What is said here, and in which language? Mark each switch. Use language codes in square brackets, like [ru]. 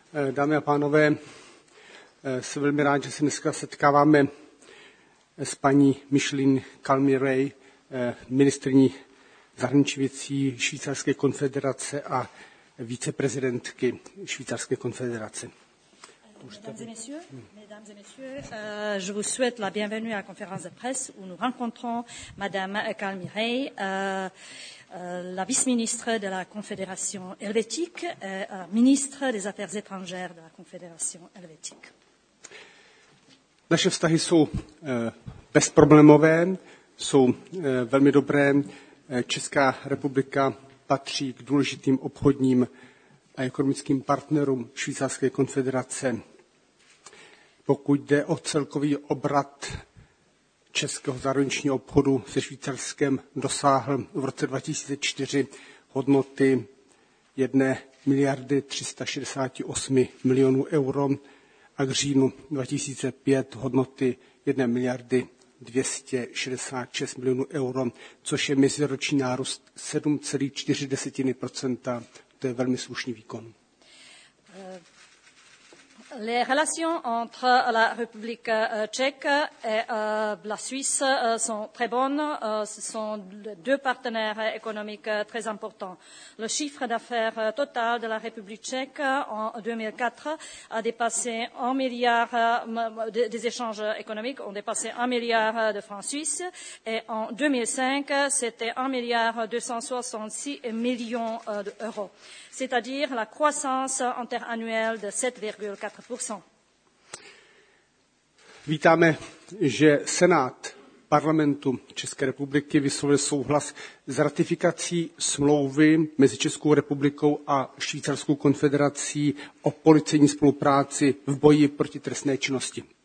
[cs] Dámy a pánové, jsem velmi rád, že se dneska setkáváme s paní Micheline Kalmirej, ministryní zahraničních věcí Švýcarské konfederace a viceprezidentky Švýcarské konfederace. [fr] Mesdames et messieurs, je vous souhaite la bienvenue à la conférence de presse où nous rencontrons Madame Kalmirej, la vice-ministre de la Confédération helvétique, ministre des Affaires étrangères de la Confédération helvétique. [cs] Naše vztahy jsou bezproblémové, jsou velmi dobré. Česká republika patří k důležitým obchodním a ekonomickým partnerům Švýcarské konfederace. Pokud jde o celkový obrat českého zahraničního obchodu se Švýcarskem, dosáhl v roce 2004 hodnoty 1 miliardy 368 milionů euro a k říjnu 2005 hodnoty 1 miliardy 266 milionů euro, což je meziroční nárůst 7,4%. To je velmi slušný výkon. [fr] Les relations entre la République tchèque et la Suisse sont très bonnes. Ce sont deux partenaires économiques très importants. Le chiffre d'affaires total de la République tchèque en 2004 a dépassé 1 milliard des échanges économiques, ont dépassé 1 milliard de francs suisses. Et en 2005, c'était 1 milliard 266 millions d'euros. C'est-à-dire la croissance interannuelle de 7,4%. [cs] Vítáme, že Senát parlamentu České republiky vyslovil souhlas s ratifikací smlouvy mezi Českou republikou a Švýcarskou konfederací o policejní spolupráci v boji proti trestné činnosti.